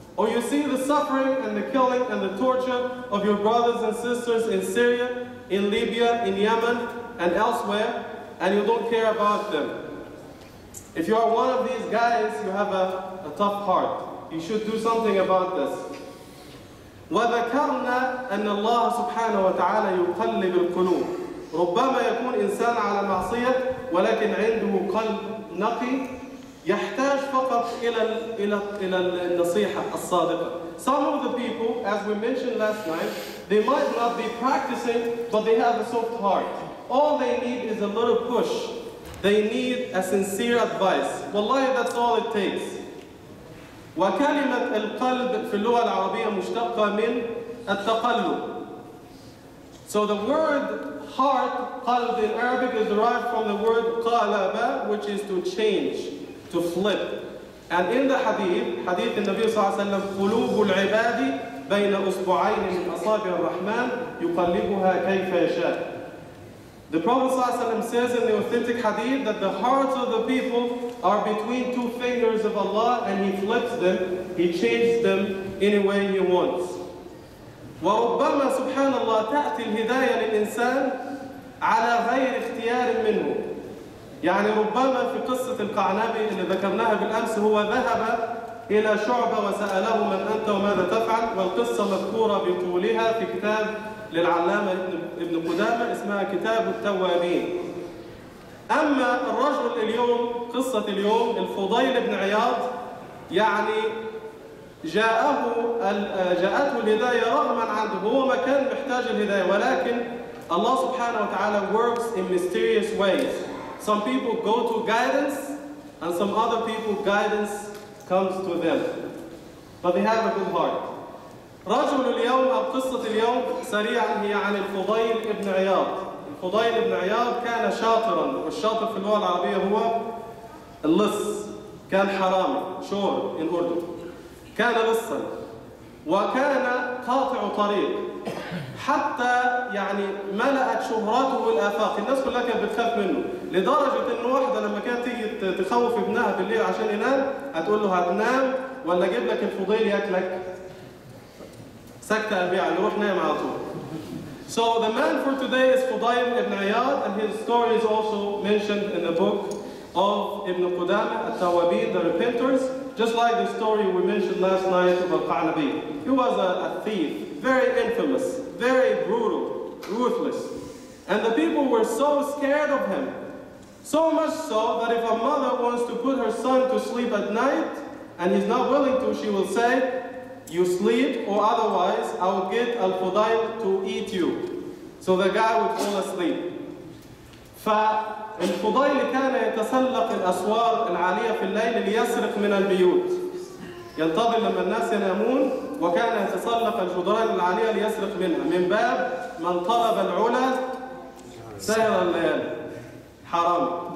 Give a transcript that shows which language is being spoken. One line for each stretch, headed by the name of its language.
English: Or you see the suffering and the killing and the torture of your brothers and sisters in Syria, in Libya, in Yemen, and elsewhere, and you don't care about them. If you are one of these guys, you have a tough heart. You should do something about this.
Arabic: وذكرنا أن الله سبحانه وتعالى يقلب القلوب. ربما يكون إنسان على معصية ولكن عنده قلب نقي يحتاج فقط إلى النصيحة الصادقة.
English: Some of the people, as we mentioned last night, they might not be practicing, but they have a soft heart. All they need is a little push. They need a sincere advice. Wallahi, that's all it takes.
Arabic: وكلمة القلب في اللغة العربية مشتقة من التقلب.
English: So the word heart, قلب in Arabic, is derived from the word قلب, which is to change, to flip. And in the hadith, hadith
Arabic: النبي صلى الله عليه وسلم, قلوب العباد بين أصبعين من أصابع الرحمن يقلبها كيف يشاء.
English: The Prophet
Arabic: صلى الله عليه وسلم
English: says in the authentic hadith that the hearts of the people are between two fingers of Allah and he flips them, he changes them any way he wants.
Arabic: وربما سبحان الله تأتي الهداية للإنسان على غير اختيار منه. يعني ربما في قصة القعنبي اللي ذكرناها بالأمس هو ذهب إلى شعبة وسأله من أنت وماذا تفعل، والقصة مذكورة بطولها في كتاب للعلامة ابن قدامة اسمها كتاب التوابين. أما الرجل اليوم، قصة اليوم، الفضيل بن عياض، يعني جاءته الهداية رغم عنده هو ما كان محتاج الهداية ولكن الله سبحانه وتعالى
English: works in mysterious ways. Some people go to guidance and some other people guidance comes to them. But they have a good heart.
Arabic: رجل اليوم أو قصة اليوم سريعا هي عن الفضيل ابن عياض. الفضيل ابن عياض كان شاطرا والشاطر في اللغة العربية هو اللص. كان حرامي شور
English: in Urdu.
Arabic: كان لصا وكان قاطع طريق حتى يعني ملأت شهرته الآفاق الناس كلها كانت بتخاف منه لدرجة أن واحدة لما كانت تيجي تخوف ابنها بالليل عشان ينام هتقول له هتنام ولا أجيب لك الفضيل يأكلك سكت أبيع نروح نام على طول.
English: So the man for today is Fudayl ibn Iyad and his story is also mentioned in the book of Ibn Qudamah At-Tawabin, The Repenters. Just like the story we mentioned last night about Qanabi. He was a thief, very infamous, very brutal, ruthless. And the people were so scared of him. So much so that if a mother wants to put her son to sleep at night, and he's not willing to, she will say, you sleep or otherwise I will get Al-Fudayl to eat you. So the guy would fall asleep.
Arabic: فالفضيل كان يتسلق الأسوار العالية في الليل ليسرق من البيوت ينتظر لما الناس ينامون وكان يتسلق الجدران العالية ليسرق منها من باب من طلب العلا سهر الليل حرام